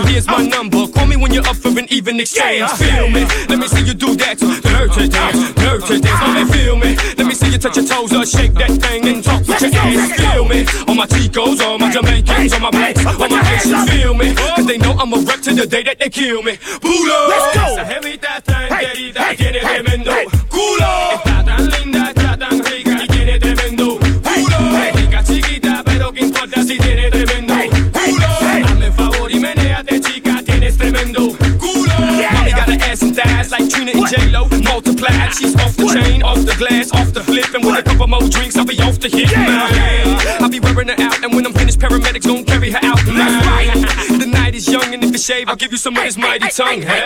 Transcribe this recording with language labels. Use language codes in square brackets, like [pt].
[en] Here's my number, call me when you're up for an even exchange. Feel me, let me see you do that to dirty dance, dirty dance. Mommy, feel me, let me see you touch your toes or shake that thing and talk with your ass. Feel me, all my Chicos, all my Jamaicans, all my blacks, all my Haitians. Feel me, cause they know I'm a wreck to the day that they kill me. Pulo, let's go. [es] Esa jevita tan querida tiene tremendo culo. Está tan linda, está tan rica y tiene tremendo culo. Rica chiquita, pero que importa si tiene tremendo culo. Dame favor y meneate chica, tienes tremendo culo. [en] Mommy got an ass and thighs like Trina and J-Lo. Multiply, she's off the chain, off the glass, off the flip. And with a couple more drinks, I'll be off the hit. I'll be wearing her out, and when I'm finished, paramedics gon' carry her out. The night is young, and if you shave, I'll give you some of his mighty tongue.